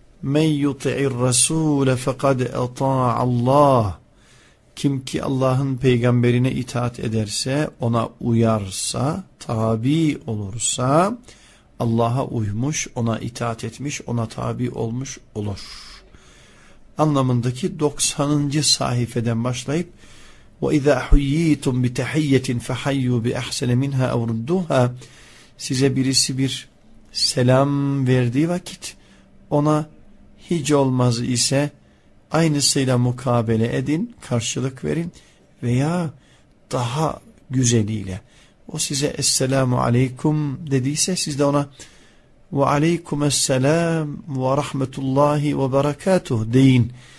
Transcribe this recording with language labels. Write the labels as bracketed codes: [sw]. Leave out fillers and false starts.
[ar] Men yuti'ir rasule fekad ata'allah. [tr] Kim ki Allah'ın peygamberine itaat ederse, ona uyarsa, tabi olursa, Allah'a uymuş, ona itaat etmiş, ona tabi olmuş olur anlamındaki 90. sahifeden başlayıp, [ar] وَإِذَا حُيِّيْتُمْ بِتَحِيَّةٍ فَحَيُّوا بِأَحْسَنَ مِنْهَا اَوْرُدُّهَا. [tr] Size birisi bir selam verdiği vakit ona hiç olmaz ise aynısıyla mukabele edin, karşılık verin veya daha güzeliyle. O size [ar] esselamu aleykum [tr] dediyse siz de ona [ar] ve aleykum esselam ve rahmetullahi ve berekatuh [tr] deyin.